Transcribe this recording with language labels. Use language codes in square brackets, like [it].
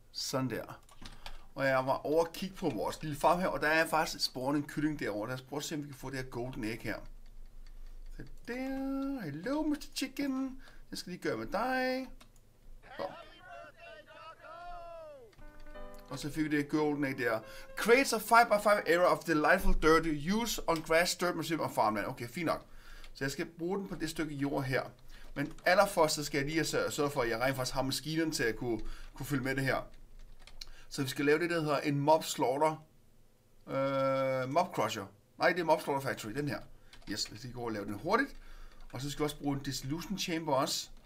[da] Sådan der. Og jeg var over at kigge på vores lille farm her, og der er faktisk spawnet en kylling derovre. Lad os prøve at se, om vi kan få det her golden egg her. Så der. [en] Hello, Mr. Chicken. [da] Jeg skal lige gøre med dig. Og så fik vi det golden egg der. [en] Creates a 5x5 area of delightful dirt used on grass, dirt, machine and farmland. [da] Okay, fint nok. Så jeg skal bruge den på det stykke jord her. Men allerførst, så skal jeg lige sørge for, at jeg rent faktisk har maskinen til at kunne følge med det her. Så vi skal lave det, der hedder en mob slaughter. Mob crusher. Nej, det er mob slaughter factory, den her. Yes, lad os lige gå og lave den hurtigt. Og så skal vi også bruge en dissolution chamber også.